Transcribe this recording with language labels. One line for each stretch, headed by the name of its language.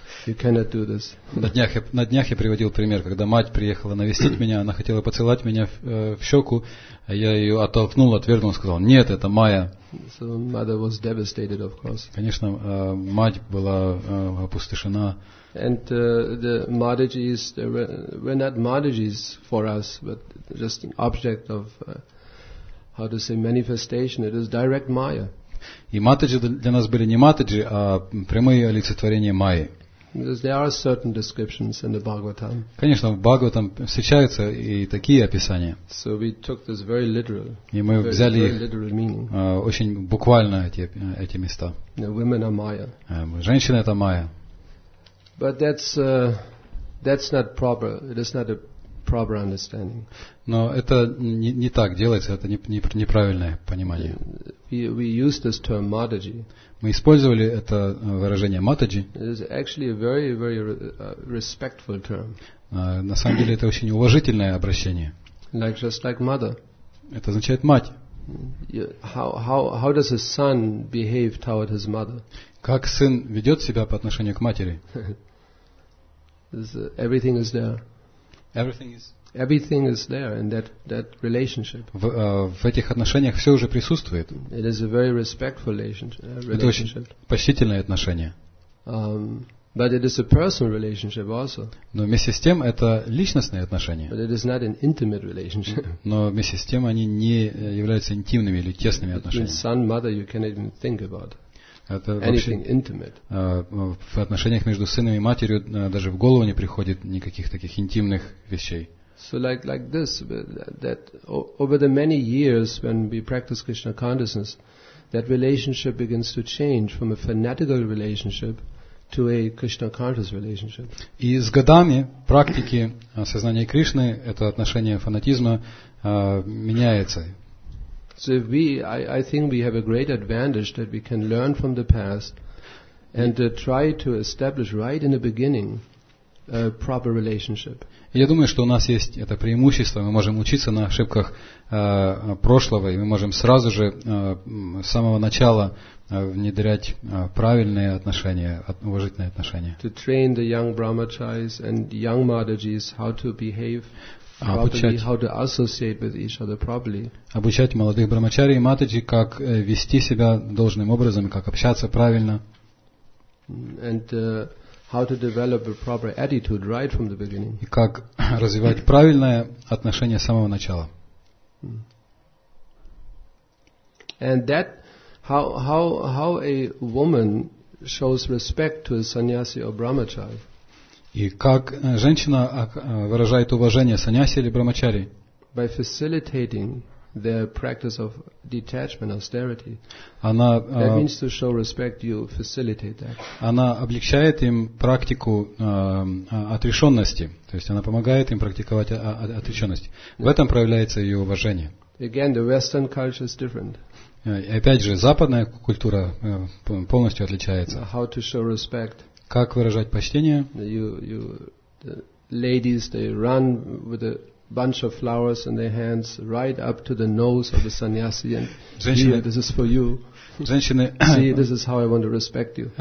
English: You cannot do this."
Russian: На днях я приводил пример, когда мать приехала навестить меня. Она хотела поцеловать меня в щеку, а я ее оттолкнул, отвернул, сказал: "Нет, это Maya."
English: So mother was devastated, of course.
Russian: Конечно, мать была опустошена.
English: And the Madhijis were not Madhijis for us, but just an object of, how to say, manifestation. It is direct Maya.
Russian: И Матаджи для нас были не Матаджи, а прямые олицетворения Майи.
English: Because there are certain descriptions in the Bhagavatam.
Russian: Конечно, в Бхагаватам встречаются и такие описания.
English: So we took this very literal.
Russian: И мы взяли
English: very literal meaning.
Russian: Очень буквально эти места.
English: The women are Maya.
Russian: Женщины — это Майя.
English: But that's not proper. It is not a proper understanding.
Russian: Но это не так делается. Это неправильное понимание.
English: We use this term Mataji.
Russian: Мы использовали это выражение Mataji.
English: It is actually a very, very respectful term.
Russian: На самом деле это очень уважительное обращение.
English: Like just like mother.
Russian: Это означает мать.
English: How does a son behave toward his mother?
Russian: Как сын ведет себя по отношению к матери?
English: Everything is there. Everything is there in that relationship.
Russian: В этих отношениях все уже присутствует.
English: It is a very respectful relationship.
Russian: Это очень почтительное отношение.
English: But it is a personal relationship also.
Russian: Но вместе с тем это личностные отношения.
English: But it is not an intimate relationship.
Russian: Но вместе с тем они не являются интимными или тесными отношениями.
English: Son, mother, you can't even think about.
Russian: Это
English: anything
Russian: вообще,
English: intimate.
Russian: В отношениях между сыном и матерью даже в голову не приходит никаких таких интимных вещей.
English: So like this, that over the many years when we practice Krishna consciousness, that relationship begins to change from a fanatical relationship to a Krishna conscious relationship.
Russian: И с годами практики сознания Кришны это отношение фанатизма меняется.
English: So if we, I think we have a great advantage that we can learn from the past and try to establish right in the beginning a proper relationship.
Russian: Я думаю, что у нас есть это преимущество, мы можем учиться на ошибках прошлого, и мы можем сразу же с самого начала внедрять правильные отношения, уважительные отношения.
English: To train the young brahmacharis and young madhajis how to behave properly,
Russian: обучать,
English: how to associate with each other properly.
Russian: Обучать молодых брахмачари и матаджи, как вести себя должным образом, как общаться правильно.
English: And, how to develop a proper attitude right from the beginning.
Russian: И как развивать правильное отношение с самого начала.
English: And that how a woman shows respect to a sannyasi or brahmachari.
Russian: И как женщина выражает уважение саньяси или брахмачари?
English: By facilitating the practice of detachment austerity.
Russian: Она,
English: that means to show respect, you facilitate that.
Russian: Она облегчает им практику отрешенности. То есть она помогает им практиковать отрешенность.
English: Yeah.
Russian: В этом проявляется ее уважение.
English: Again, the Western culture is different.
Russian: Опять же, западная культура полностью отличается.
English: How to show respect?
Russian: Как выражать почтение?
English: You the ladies, they run with a bunch of flowers in their hands right up to the nose of the sannyasi and here, this is for you.
Russian: Женщины
English: see, this is how I want to respect you.